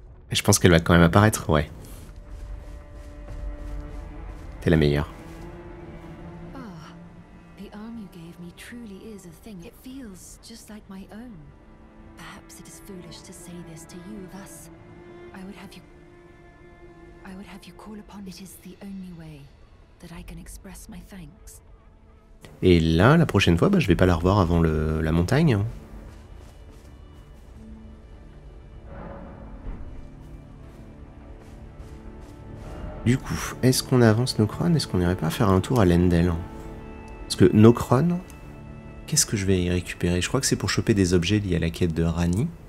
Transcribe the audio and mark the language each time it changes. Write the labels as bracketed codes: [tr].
[fr] Je pense qu'elle va quand même apparaître, ouais. T'es la meilleure. [en] Ah, the arm you gave me truly is a thing. It feels just like my own. Perhaps it is foolish to say this to you, thus. I would have you call upon it is the only way that I can express my thanks. [fr] Et là, la prochaine fois, bah, je vais pas la revoir avant la montagne. Du coup, est-ce qu'on avance Nokron? Est-ce qu'on n'irait pas faire un tour à Lendel? Parce que Nokron, qu'est-ce que je vais y récupérer? Je crois que c'est pour choper des objets liés à la quête de Rani.